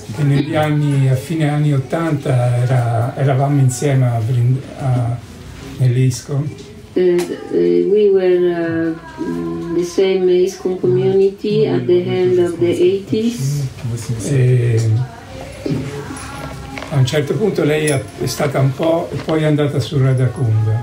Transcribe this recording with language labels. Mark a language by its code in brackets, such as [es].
[it] Che negli anni, a fine anni 80 eravamo insieme a Vrindavan, nell'ISKCON. [en] We were the same ISKCON community at the end of the 80s. [it] A un certo punto lei è stata un po' poi è andata su Radha Kunda.